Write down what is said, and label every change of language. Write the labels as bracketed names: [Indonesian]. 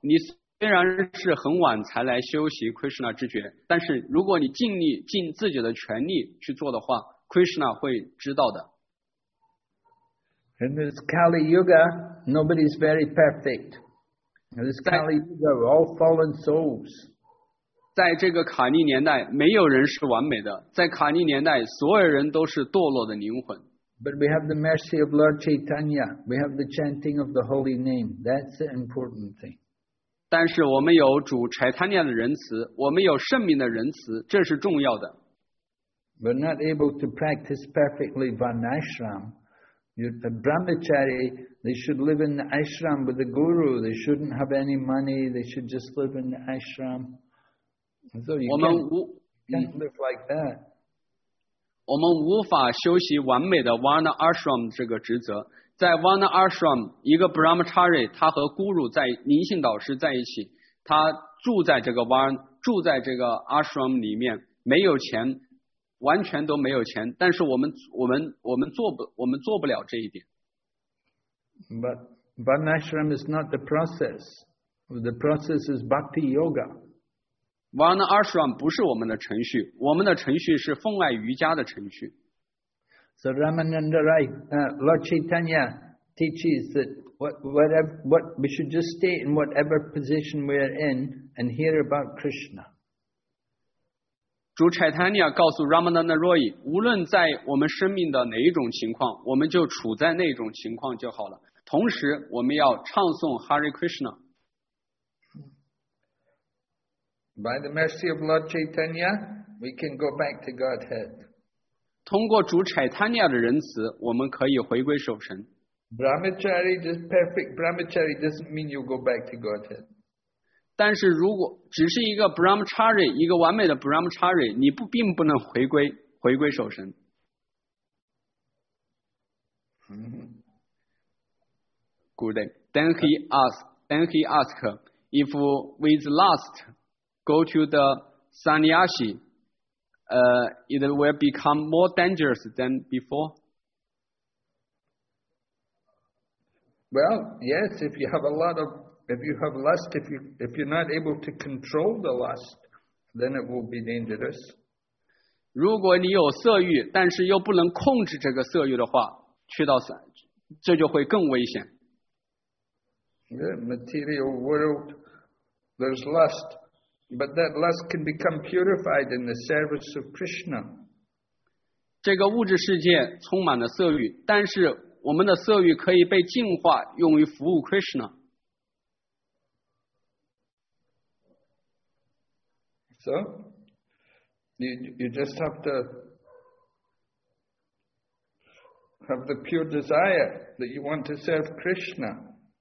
[Chinese] 你虽然是很晚才来修习 Krishna 知觉，但是如果你尽力尽自己的全力去做的话， Krishna 会知道的。 [English] In this Kali Yuga, nobody is very perfect. In this Kali Yuga, we're all fallen souls. [Chinese] 在这个卡利年代，没有人是完美的。在卡利年代，所有人都是堕落的灵魂。 [English] But we have the mercy of Lord Chaitanya. We have the chanting of the holy name. That's the important thing. [Chinese] 但是我们有主柴坦尼亚的仁慈，我们有圣名的仁慈，这是重要的。 [English] We're not able to practice perfectly Varnashram. The Brahmachari, they should live in the ashram with the guru. They shouldn't have any money. They should just live in the ashram. So you can't live like that. [Chinese] 我们无法修习完美的 Varna Ashram 这个职责。在 Varna Ashram, 一个 Brahmachari, 他和 Guru 在灵性导师在一起，他住在这个 Varna, 住在这个 Ashram 里面，没有钱，完全都没有钱，但是我们做不了这一点。 [English] But Varna Ashram is not the process. The process is Bhakti Yoga. [Chinese] Varna Ashram 不是我们的程序，我们的程序是奉爱瑜伽的程序。 [English] So Ramananda Rai, Lord Chaitanya teaches that whatever we should just stay in whatever position we are in and hear about Krishna. [Chinese] 主 Chaitanya 告诉 Ramananda Rai, 无论在我们生命的哪一种情况，我们就处在那种情况就好了。同时，我们要唱诵 Hare Krishna。 [English] By the mercy of Lord Chaitanya, we can go back to Godhead. [Chinese] 通过主 Chaitanya 的仁慈，我们可以回归守神。 [English] Brahmachari, just perfect Brahmachari doesn't mean you go back to Godhead. [Chinese] 但是如果只是一个 Brahmachari, 一个完美的 Brahmachari, 你不并不能回归守神。 [English] Good day. Then he asked, if with lust,go to the sannyasi, it will become more dangerous than before? Well, yes, if you have lust, if you're not able to control the lust, then it will be dangerous. [Chinese] 如果你有色欲，但是又不能控制这个色欲的话，去到散，这就会更危险。 [English] The material world There's lust, but that lust can become purified in the service of Krishna. [Chinese] 这个物质世界充满了色欲，但是我们的色欲可以被净化，用于服务 Krishna。 [English] So, you just have to have the pure desire that you want to serve Krishna.